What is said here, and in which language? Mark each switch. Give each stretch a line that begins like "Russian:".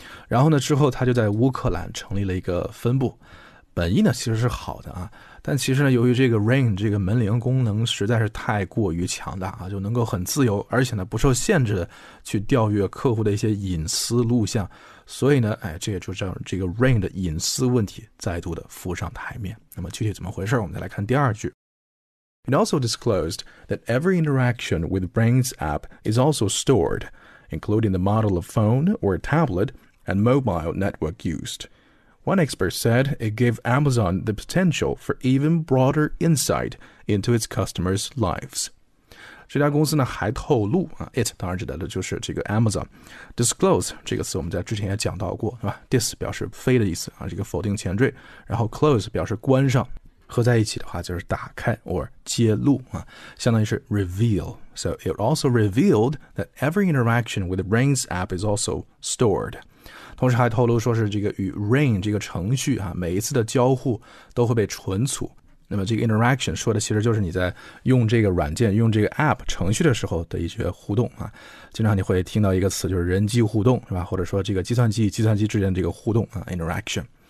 Chinese: 然后呢，之后他就在乌克兰成立了一个分部。本意呢其实是好的啊，但其实呢由于这个 Ring 这个门铃功能实在是太过于强大啊，就能够很自由而且呢不受限制的去调阅客户的一些隐私录像，所以呢哎，这也就让这个 Ring 的隐私问题再度的浮上台面。那么具体怎么回事我们再来看第二句。
English: It also disclosed that every interaction with Ring's app is also stored, including the model of phone or tablet and mobile network used. One expert said it gave Amazon the potential for even broader insight into its customers' lives.
Chinese: 这家公司呢还透露、It 当然指的就是这个 Amazon。 Disclose 这个词我们在之前也讲到过、Dis 表示非的意思、这个否定前缀，然后 close 表示关上，合在一起的话就是打开 or 揭露、相当于是 reveal。
English: So it also revealed that every interaction with Ring's app is also stored。
Chinese: 同时还透露说是这个与 Ring 这个程序、每一次的交互都会被存储。那么这个 interaction 说的其实就是你在用这个软件、用这个 app 程序的时候的一些互动、经常你会听到一个词就是人机互动，是吧？或者说这个计算机之间的这个互动、interaction。